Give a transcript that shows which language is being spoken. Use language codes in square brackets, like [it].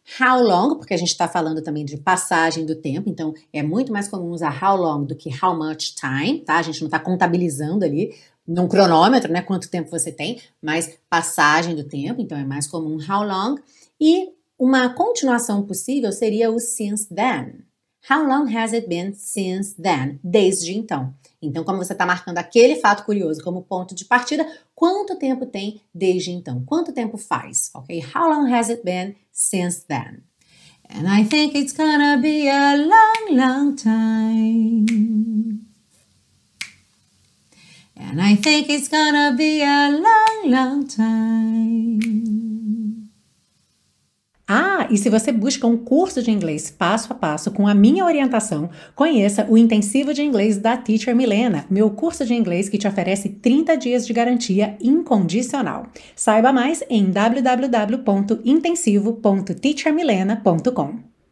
[en] How long, [pt] porque a gente está falando também de passagem do tempo. Então, é muito mais comum usar [en] how long [pt] do que [en] how much time, [pt] tá? A gente não está contabilizando ali num cronômetro, né? Quanto tempo você tem, mas passagem do tempo. Então, é mais comum [en] how long. [pt] E uma continuação possível seria o [en] since then. How long has it been since then? [pt] Desde então. Então, como você está marcando aquele fato curioso como ponto de partida, quanto tempo tem desde então? Quanto tempo faz? Ok? [en] How long has it been since then? And I think it's gonna be a long, long time. And I think it's gonna be a long, long time. [pt] Ah, e se você busca um curso de inglês passo a passo com a minha orientação, conheça o Intensivo de Inglês da Teacher Milena, meu curso de inglês que te oferece 30 dias de garantia incondicional. Saiba mais em www.intensivo.teachermilena.com.